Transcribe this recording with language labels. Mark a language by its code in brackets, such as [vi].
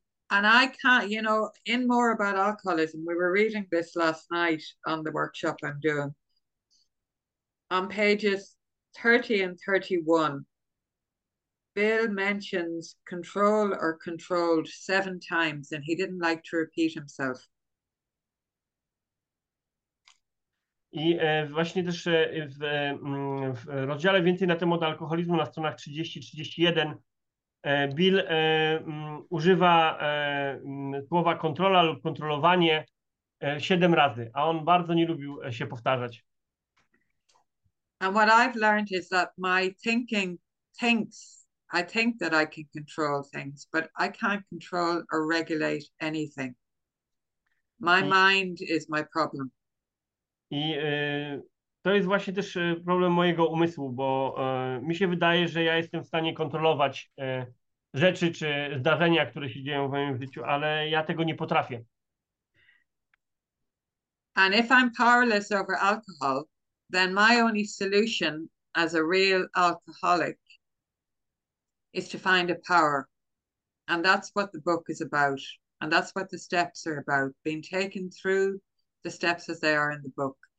[en] And I can't, in more about alcoholism, we were reading this last night on the workshop I'm doing. On pages 30 and 31, Bill mentions control or controlled 7 times, and he didn't like to repeat himself. [pl] I właśnie też w rozdziale więcej na temat alkoholizmu na stronach 30-31 Bill używa słowa kontrola lub kontrolowanie 7 razy, a on bardzo nie lubił się powtarzać. [en] And what I've learned is that my thinking thinks, I think that I can control things, but I can't control or regulate anything. My mind is my problem. [pl] I To jest właśnie też problem mojego umysłu, bo mi się wydaje, że ja jestem w stanie kontrolować rzeczy czy zdarzenia, które się dzieją w moim życiu, ale ja tego nie potrafię. [en] And if I'm powerless over alcohol, then my only solution as a real alcoholic is to find a power. And that's what the book is about. And that's what the steps are about, being taken through the steps as they are in the book.